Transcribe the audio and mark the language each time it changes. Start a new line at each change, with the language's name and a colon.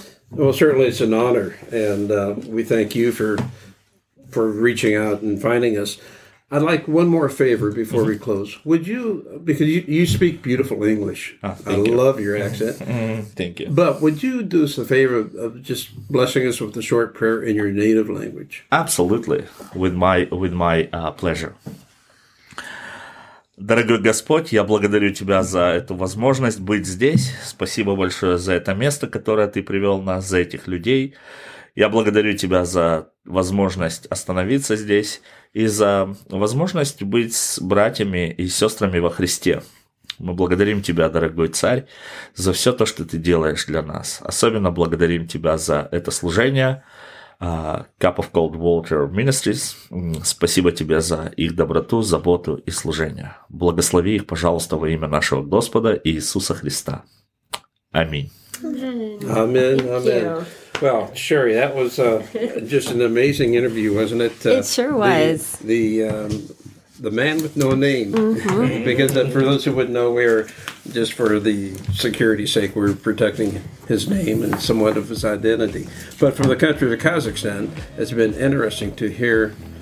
English: Well, certainly it's an honor, and we thank you for reaching out and finding us. I'd like one more favor before mm-hmm. we close. Would you, because you speak beautiful English. Love your accent. Thank you. But would you do us a favor of just blessing us with a short prayer in your native language? Absolutely, with my pleasure.
Russian: Дорогой Господь, я благодарю Тебя за эту возможность быть здесь. Спасибо большое за это место, которое Ты привел нас, за этих людей. Я благодарю Тебя за возможность остановиться здесь и за возможность быть с братьями и сестрами во Христе. Мы благодарим Тебя, дорогой Царь, за все то, что Ты делаешь для нас. Особенно благодарим Тебя за это служение Cup of Cold Water Ministries. Спасибо Тебе за их доброту, заботу и служение. Благослови их, пожалуйста, во имя нашего Господа Иисуса Христа. Аминь. Аминь, аминь.
English: Well, Sherry, that was just an amazing interview, wasn't it? It sure was. The man with no name. Mm-hmm. Because for those who wouldn't know, we're just for the security's sake, we're protecting his name and somewhat of his identity. But from the country of Kazakhstan, it's been interesting to hear